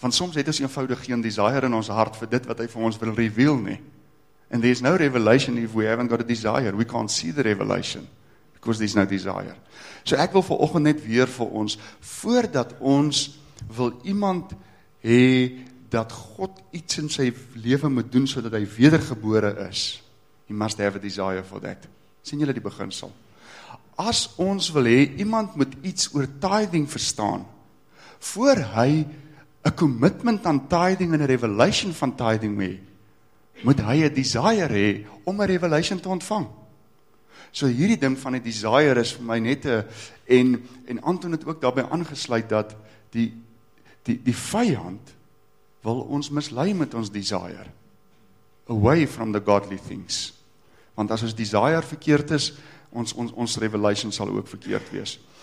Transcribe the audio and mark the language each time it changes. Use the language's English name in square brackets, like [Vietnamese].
[Afrikaans] Want soms het ons eenvoudig geen desire in ons hart vir dit wat hy vir ons wil reveal nie. [English] And there is no revelation if we haven't got a desire. We can't see the revelation because there is no desire. [Afrikaans] So ek wil vanoggend net weer vir ons, voordat ons wil iemand hê dat God iets in sy lewe moet doen sodat hy wedergebore is, [English] he must have a desire for that. [Afrikaans] Sien julle die beginsel? As ons wil hê iemand moet iets oor tithing verstaan, voor hy 'n commitment aan tithing en 'n revelation van tithing hê, moet hy 'n desire hê om 'n revelation te ontvang. So hierdie ding van 'n desire is vir my net 'n en Anton het ook daarbij aangesluit dat die vyand wil ons mislei met ons desire. [English] Away from the godly things. [Afrikaans] Want as ons desire verkeerd is, ons revelation sal ook verkeerd wees.